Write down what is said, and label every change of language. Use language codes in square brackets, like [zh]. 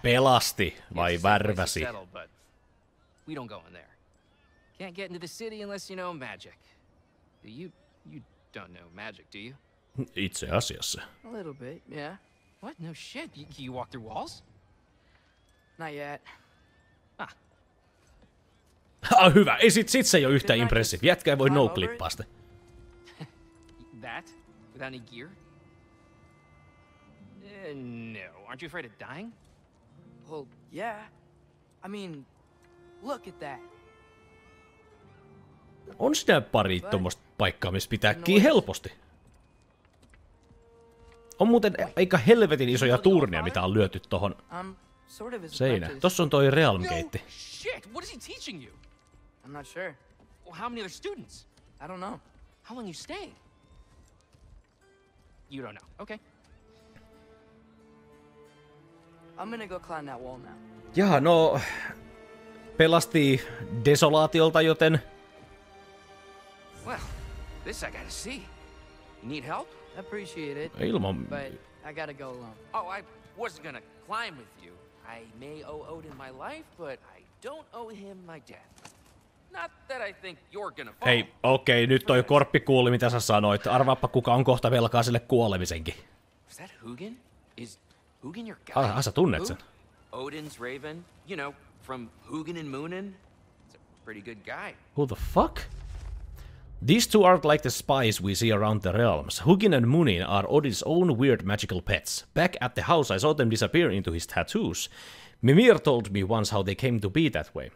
[fi] Pelasti vai värväsi? [en] We don't go in there. Can't get into the city unless you know magic. You don't know magic, do you? [fi] Itse asiassa. [en] A little bit, yeah. What? No shit. Can you walk through walls? Not yet. [fi] Ah, hyvä. Ei sit se ei ole yhtään impressiivi. Jätkä ei voi no-klippaa sitä. [en] That? Without any gear? No. Aren't you afraid of dying? Well, yeah. I mean, look at that. [fi] On sinä pari tuommoista paikkaa, missä pitää kiinni helposti. On muuten aika helvetin isoja turnia, mitä on lyöty tohon seinä. Tossa on toi Realm Gate. [en] Shit, what is he teaching you? I'm not sure. Well, how many other students? I don't know. How long you stay? You don't know. Okay. I'm gonna go climb that wall now. [fi] Jaha, no... Pelasti desolaatiolta, joten... [en] Well, this I gotta see. You need help? Appreciate it. [fi] Ilman... [en] But I gotta go alone. Oh, I wasn't gonna climb with you. I may owe Odin my life, but I don't owe him my death. Not that I think you're gonna fall. [fi] Hei, okei, nyt toi korppi kuuli, mitä sä sanoit. Arvaappa, kuka on kohta velkaa sille kuolemisenkin. [en] Is that Hugin? Is Hugin your guy? [fi] Ah, sä tunnet sen. [en] Odin's raven? You know, from Hugin and Munin? It's a pretty good guy. Who the fuck? These two aren't like the spies we see around the realms. Hugin and Munin are Odin's own weird magical pets. Back at the house, I saw them disappear into his tattoos. Mimir told me once how they came to be that way.